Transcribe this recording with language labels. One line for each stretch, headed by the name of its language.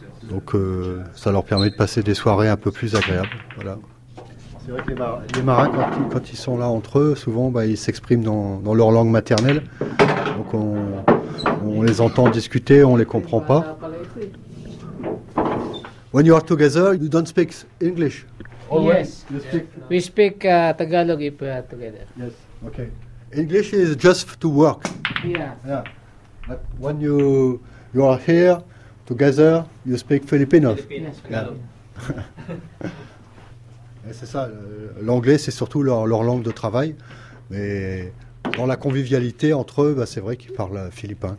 French: Donc ça leur permet de passer des soirées un peu plus agréables. Voilà. C'est vrai que les marins quand ils sont là entre eux, souvent bah, ils s'expriment dans leur langue maternelle. Donc on les entend discuter, on ne les comprend pas.
English: When you are together, you don't speak English. Oh, yes. You speak. We speak Tagalog if we are together. Yes, okay. English is just to work. Yeah. But when you are here together, you speak Filipino.
French: C'est ça, l'anglais c'est surtout leur langue de travail, mais dans la convivialité entre eux, bah, c'est vrai qu'ils parlent philippin.